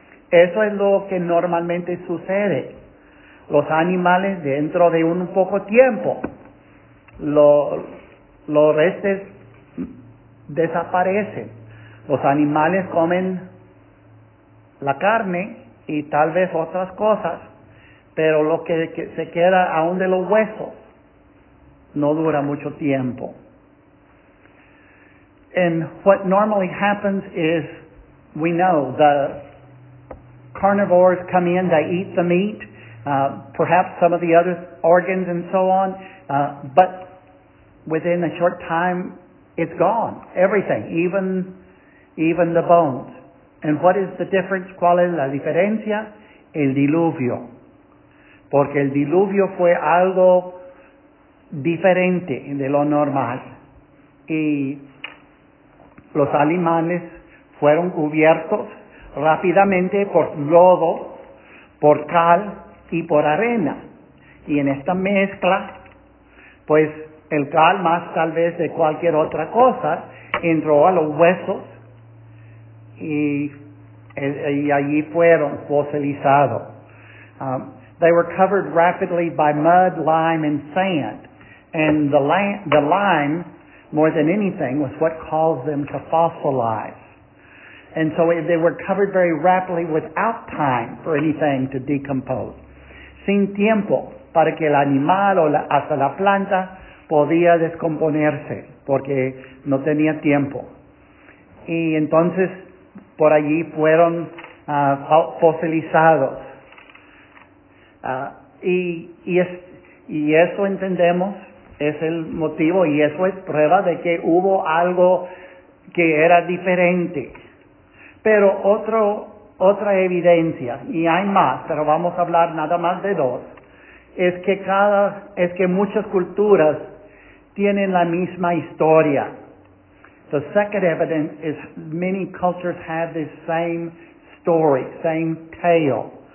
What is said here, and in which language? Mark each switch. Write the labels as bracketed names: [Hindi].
[Spanish] Eso es lo que normalmente sucede. Los animales, dentro de un poco tiempo, los restos desaparecen. Los animales comen la carne y tal vez otras cosas, pero lo que se queda aún de los huesos no dura mucho tiempo. [English] And what normally happens is, we know, the carnivores come in, they eat the meat, perhaps some of the other organs and so on, but within a short time, it's gone. Everything, even the bones. And what is the difference? [Spanish] ¿Cuál es la diferencia? El diluvio. Porque el diluvio fue algo diferente de lo normal, y los animales fueron cubiertos rápidamente por lodo, por cal y por arena, y en esta mezcla, pues el cal más tal vez de cualquier otra cosa entró a los huesos, y allí fueron fosilizados. [English] They were covered rapidly by mud, lime and sand. And the lime, more than anything, was what caused them to fossilize. And so they were covered very rapidly without time for anything to decompose. [Spanish] Sin tiempo para que el animal o hasta la planta podía descomponerse, porque no tenía tiempo. Y entonces por allí fueron fosilizados. Y eso entendemos, es el motivo, y eso es prueba de que hubo algo que era diferente. Pero otra evidencia, y hay más, pero vamos a hablar nada más de dos, es que muchas culturas tienen la misma historia. [English] The second evidence is many cultures have the same story, same tale.